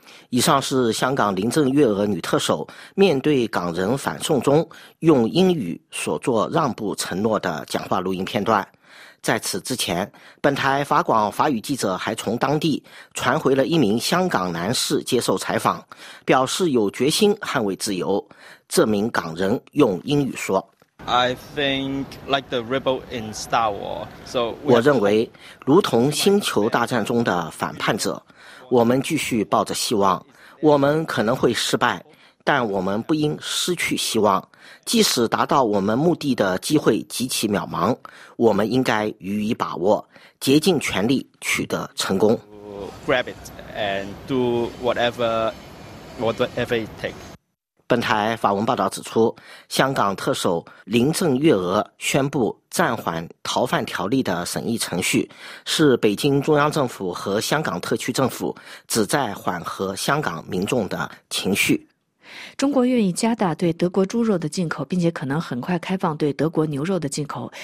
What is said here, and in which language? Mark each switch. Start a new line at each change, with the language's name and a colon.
Chinese: 以上是香港林郑月娥女特首面对港人反送中用英语所做让步承诺的讲话录音片段。在此之前，本台法广法语记者还从当地传回了一名香港男士接受采访，表示有决心捍卫自由。这名港人用英语说，
English: I think like the rebel in Star Wars. So
Chinese: 我认为如同星球大战中的反叛者，我们继续抱着希望。我们可能会失败，但我们不应失去希望。即使达到我们目的的机会极其渺茫，我们应该予以把握，竭尽全力取得成功。
English: Grab it and do whatever it takes.
Chinese: 本台法文报道指出，香港特首林郑月娥宣布暂缓逃犯条例的审议程序，是北京中央政府和香港特区政府旨在缓和香港民众的情绪。中国愿意加大对德国猪肉的进口，并且可能很快开放对德国牛肉的进口。